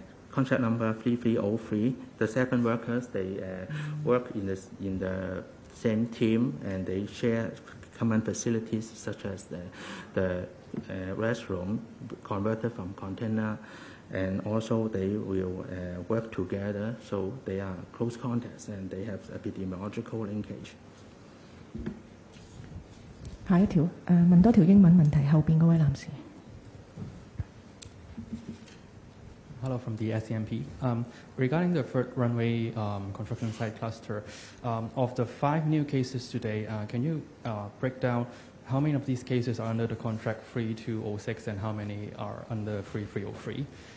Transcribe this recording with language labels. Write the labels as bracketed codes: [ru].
[en] contract number 3303, the 7 workers, they work in the same team, and they share common facilities such as the restroom converted from container, and also they will work together, so they are close contacts and they have epidemiological linkage. [zh] 下一條，問多條英文問題，後面那位男士。 [en] Hello from the SCMP. Regarding the third runway construction site cluster, of the 5 new cases today, can you break down how many of these cases are under the contract 3206 and how many are under 3303?